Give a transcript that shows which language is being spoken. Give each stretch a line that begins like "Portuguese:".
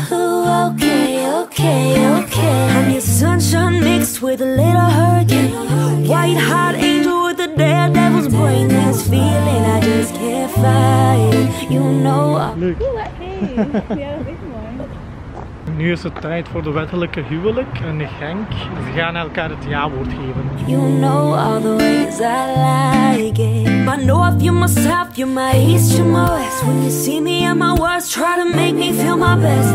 English: Okay, okay, okay. I'm your sunshine mixed with a little hurricane. White hot angel with a daredevil's brain. This feeling I just can't fight. You know I'm Luke. Ooh, hey. Yeah, that's a big one.
Dutch: Nu Nu is het tijd voor de wettelijke huwelijk en Genk. Ze gaan elkaar het ja-woord geven.
English: You know all the ways I like it. I know of you myself, you're my east, you're my west. When you see me at my worst, try to make me feel my best.